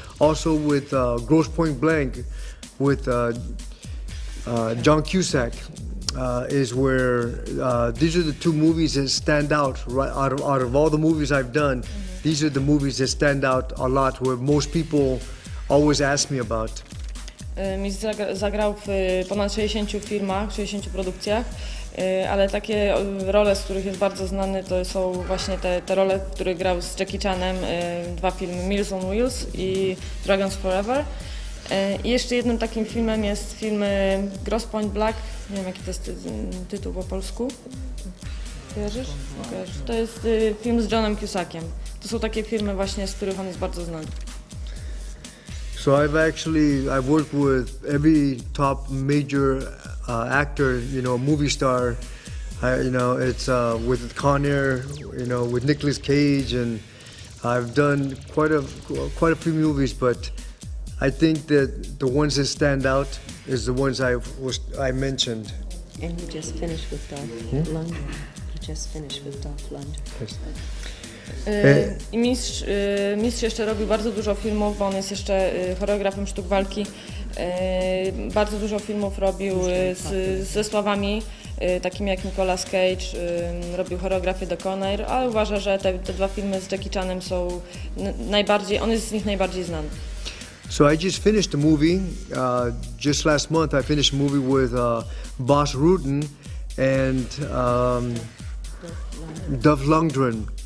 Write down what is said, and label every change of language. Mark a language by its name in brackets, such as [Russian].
[English] Also with Gross Point Blank, with John Cusack, is where these are the two movies that stand out. Right, out of all the movies I've done, these are the movies that stand out a lot, where most people always ask me about. [Polish] Mistrz zagrał w ponad 60 filmach, 60 produkcjach, ale takie role, z których jest bardzo znany, to są właśnie te role, które grał z Jackie Chanem, dwa filmy, Meals on Wheels i Dragons Forever. I jeszcze jednym takim filmem jest film Gross Point Black, nie wiem jaki to jest tytuł po polsku. Kojarzysz? To jest film z Johnem Cusackiem. To są takie filmy właśnie, z których on jest bardzo znany. [English] So I've worked with every top major actor, you know, movie star. With Con Air, you know, with Nicolas Cage, and I've done quite a few movies, but I think that the ones that stand out is the ones I mentioned. And you just finished with Dolph Lundgren. Yes. [Polish] I mistrz jeszcze robił bardzo dużo filmów, bo on jest jeszcze choreografem sztuk walki. Bardzo dużo filmów robił ze sławami, takimi jak Nicolas Cage, robił choreografię do Con Air, ale uważa, że te dwa filmy z Jackie Chanem są najbardziej, on jest z nich najbardziej znany. [English] So I just finished a movie, just last month I finished a movie with Boss Rudin and Dolph Lundgren.